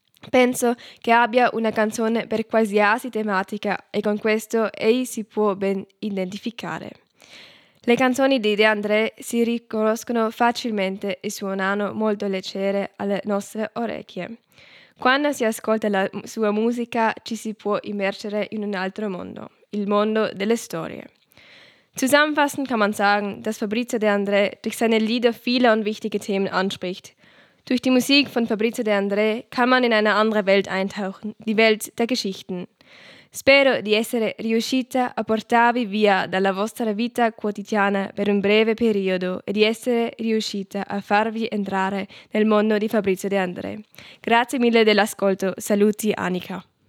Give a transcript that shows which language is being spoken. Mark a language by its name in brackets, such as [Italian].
[Italian] Penso che abbia una canzone per qualsiasi tematica e con questo egli si può ben identificare. Le canzoni di De André si riconoscono facilmente e suonano molto leggere alle nostre orecchie. Quando si ascolta la sua musica ci si può immergere in un altro mondo, il mondo delle storie. [German] Zusammenfassend kann man sagen, dass Fabrizio De André durch seine Lieder viele und wichtige Themen anspricht. Durch die Musik von Fabrizio De André kann man in eine andere Welt eintauchen, die Welt der Geschichten. [Italian] Spero di essere riuscita a portarvi via dalla vostra vita quotidiana per un breve periodo e di essere riuscita a farvi entrare nel mondo di Fabrizio De André. Grazie mille dell'ascolto. Saluti, Annika.